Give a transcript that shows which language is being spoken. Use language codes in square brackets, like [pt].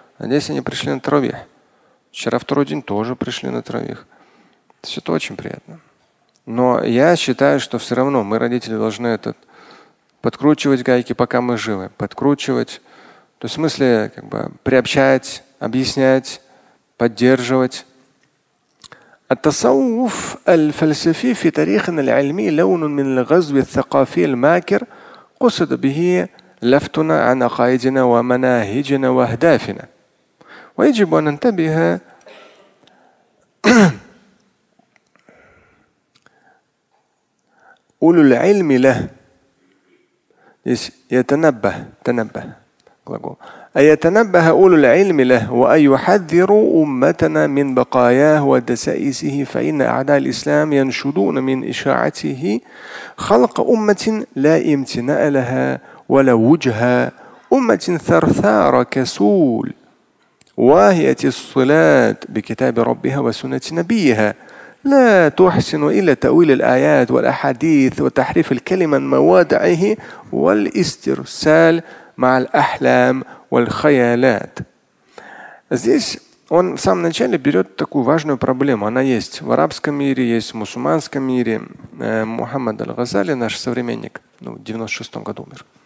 [ru] А здесь они пришли на таравих. Вчера второй день тоже пришли на таравих. То есть это очень приятно. Но я считаю, что все равно мы, родители, должны этот подкручивать гайки, пока мы живы. Подкручивать. То есть в смысле как бы приобщать, объяснять, поддерживать. [ar] التصوف الفلسفي في تاريخنا العلمي لون من الغزو الثقافي الماكر قصد به لفتنا عن عقائدنا ومناهجنا واهدافنا. ويجب أن ننتبه أولو العلم له. [ru] Здесь يتنبه, تنبه глагол. [ar] А يتنبه أولو العلم له وأن يحذروا أمتنا من بقاياه ودسائسه فإن أعداء الإسلام ينشدون من إشاعته خلق أمة لا امتناء لها ولا وجهة أمة ثرثار كسول واهية الصلاة بكتاب ربها وسنة نبيها لا تحسن إلا تأويل الآيات والأحاديث وتحريف الكلمة مواضعه والاسترسال مع الأحلام والخيالات. [ru] Здесь он в самом начале берет такую важную проблему. Она есть в арабском мире, есть в мусульманском мире. Мухаммад аль-Газали, наш современник, ну, в 96-м году умер.